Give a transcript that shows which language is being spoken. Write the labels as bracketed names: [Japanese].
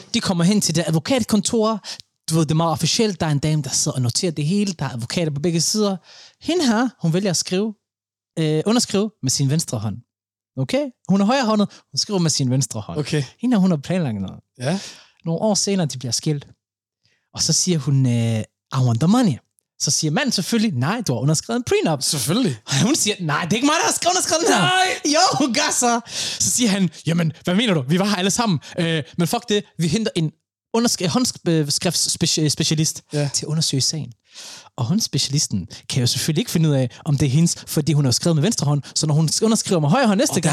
[Danish] De kommer hen til det advokatkontor. Du ved, det er meget officielt. Der er en dame, der sidder og noterer det hele. Der er advokater på begge sider. Hende her, hun vælger at underskrive med sin venstre hånd. Okay? Hun er højre håndet. Hun skriver med sin venstre hånd. Okay. Hende her, hun har planlagt noget. Ja. Nogle år senere, de bliver skilt. Og så siger hun, [English] I want the money. [Danish] Så siger manden selvfølgelig, nej, du har underskrevet en prenup. Selvfølgelig. Og hun siger, nej, det er ikke mig, der har underskrevet den her. Nej. Jo, hun gør så. Så siger han, jamen, hvad mener du? Vi var her alle sammen. Men fuck det, vi henter en håndskriftsspecialist til at undersøge sagen. Og håndspecialisten kan jo selvfølgelig ikke finde ud af, om det er hendes, fordi hun har skrevet med venstre hånd, så når hun underskriver med højre hånd næste gang...